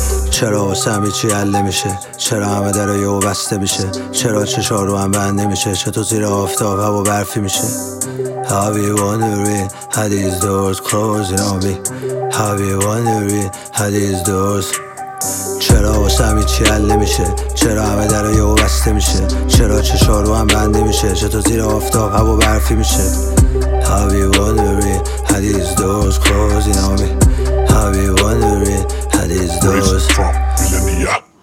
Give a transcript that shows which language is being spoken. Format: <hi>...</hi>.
<fa>چرا واسم هیچی حل نمیشه، چرا همه در رو یهو بسته میشه، چرا چشا رو هم بند نمیشه، چطور زیر آفتاب هوا برفی میشه.</fa> <en>How you wondering how these doors closing on me. How you wondering how these doors.</en> <fa>چرا واسم هیچی حل نمیشه، چرا همه در رو یهو بسته میشه، چرا چشا رو هم بند نمیشه، چطور زیر آفتاب هوا برفی میشه.</fa> <en>How you wondering how these doors closing on me. I'll be wondering how these doors. Rich from Millennia.</en>